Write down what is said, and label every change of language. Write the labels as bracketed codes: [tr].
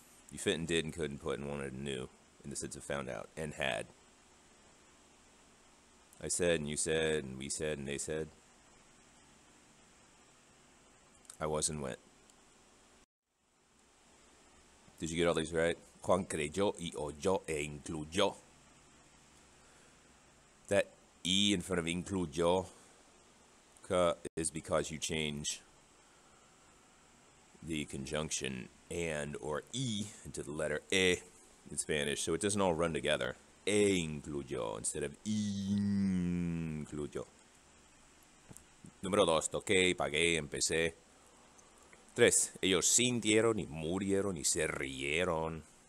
[en] You fit and did and could and put and wanted and knew, in the sense of found out, and had. I said and you said and we said and they said. I was and went. Did you get all these right? [es] Juan creyó y oyó e incluyó. [en] That E in front of incluyó is because you change the conjunction and or e into the letter e in Spanish, so it doesn't all run together. E incluyó instead of e incluyó. [es] Número dos, toqué, pagué, empecé. Tres, ellos sintieron y murieron y se rieron.